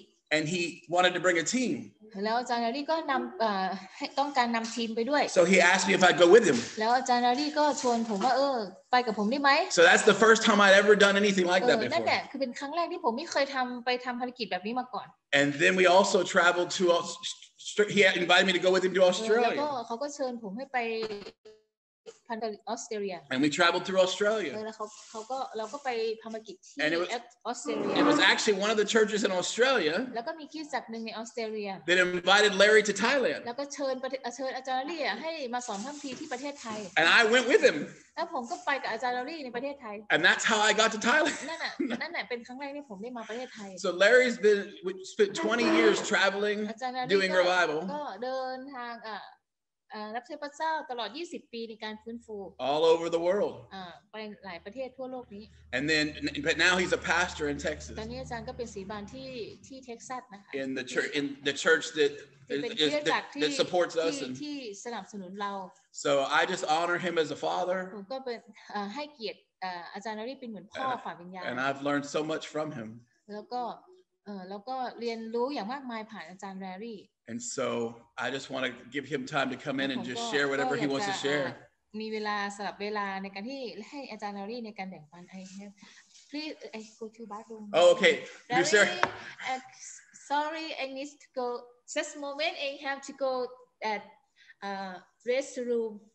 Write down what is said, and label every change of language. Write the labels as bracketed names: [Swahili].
[English] And he wanted to bring a team. [Thai] แล้วอาจารย์ลี่ก็นำต้องการนำทีมไปด้วย [English] So he asked me if I'd go with him. [Thai] แล้วอาจารย์ลี่ก็ชวนผมว่าไปกับผมได้ไหม [English] So that's the first time I'd ever done anything like that before. [Thai] นั่นแหละคือเป็นครั้งแรกที่ผมไม่เคยทำภารกิจแบบนี้มาก่อน [English] And then we also traveled to Australia. He invited me to go with him to Australia. [Thai] แล้วก็เขาก็เชิญผมให้ไปพันธุ์ออสเตรเลีย [English] And we traveled through Australia. [Thai] เราก็ไปทำภารกิจที่ออสเตรเลีย [English] It was actually one of the churches in Australia. [Thai] แล้วก็มีคริสตจักรหนึ่งในออสเตรเลีย [English] That invited Larry to Thailand. [Thai] แล้วก็เชิญอาจารย์ลี่ให้มาสอนพระคัมภีร์ที่ประเทศไทย [English] And I went with him. [Thai] แล้วผมก็ไปกับอาจารย์ลี่ในประเทศไทย [English] And that's how I got to Thailand. [Thai] นั่นแหละเป็นครั้งแรกที่ผมได้มาประเทศไทย [English] So Larry's spent 20 years traveling, doing revival. [Thai] ก็เดินทาง รับใช้พระเจ้าตลอด20ปีในการฟื้นฟู [English] All over the world [Thai] ไปหลายประเทศทั่วโลกนี้ [English] And then but now he's a pastor in Texas [Thai] ตอนนี้อาจารย์ก็เป็นศิษย์บาลที่เท็กซัสนะคะ [English] In the church that supports us and [Thai] ที่สนับสนุนเรา [English] So I just honor him as a father [Thai] ผมก็เป็นให้เกียรติอาจารย์นฤทธิ์เป็นเหมือนพ่อฝ่ายวิญญาณ [English] And I've learned so much from him [Thai] แล้วก็เรียนรู้อย่างมากมายผ่านอาจารย์แรรี่ [English] And so I just want to give him time to come in and just share whatever he wants to share. [Thai] มีเวลาสำหรับเวลาในการที่ให้อาจารย์แรรี่ในการแบ่งปันไอ้ [English] Please I go to bathroom. Oh okay. You sir. Sorry I need to go just moment I have to go at restroom.